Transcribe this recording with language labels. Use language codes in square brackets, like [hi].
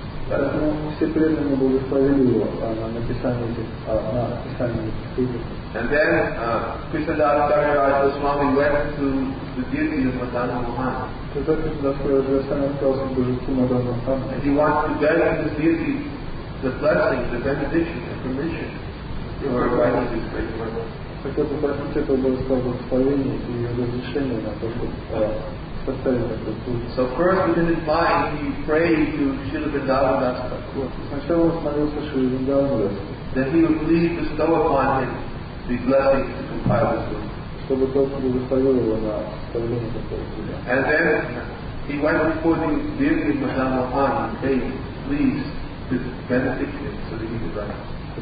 [ru] Поэтому все преданные благословили его на написание этих книг. [en] And then Krishna Das Kaviraj Goswami went to the deity of Madana Mohan. [ru] Тогда Krishna Das Kaviraj Goswami отправился к божеству Мадана Мохан. [en] And he wanted to beg to this deity the blessing, the benediction, the permission for writing this great work. [ru] Хотел попросить этого божества благословения и разрешения на то, чтобы [en] So first within his mind he prayed to Śrīla Vrindāvana Dāsa Thakura that he would please bestow upon him the blessing to compile this book. And then he went before the deity of Madana Mohan and prayed, please benefit him so that he could write.